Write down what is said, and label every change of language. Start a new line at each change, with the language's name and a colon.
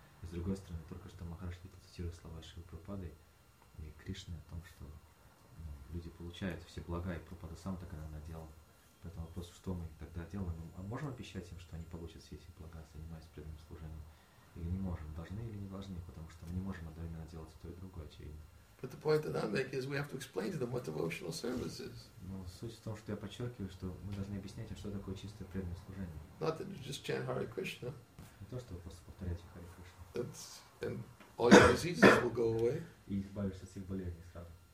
Russian: И с другой стороны, только что Махараш Гита цитирует слова Шивы Прабхупады и Кришны о том, что люди получают все блага, и Прабхупада сам так иногда делал. Поэтому вопрос, что мы тогда делаем? А можем обещать им, что они получат все эти блага, занимаясь преданным служением? Или не можем? Должны или не должны? Потому что мы не можем одновременно делать то и другое, очевидно.
English: But the point that I'm making is we have to explain to them what devotional service is.
Russian: Но суть в том, что я подчеркиваю, что мы должны объяснять им, что такое чистое преданное служение.
English: Not that you just chant Hare Krishna.
Russian: Не то, что вы просто повторяете Hare Krishna.
English: And all your diseases will go away.
Russian: И избавишься от всех болезней сразу.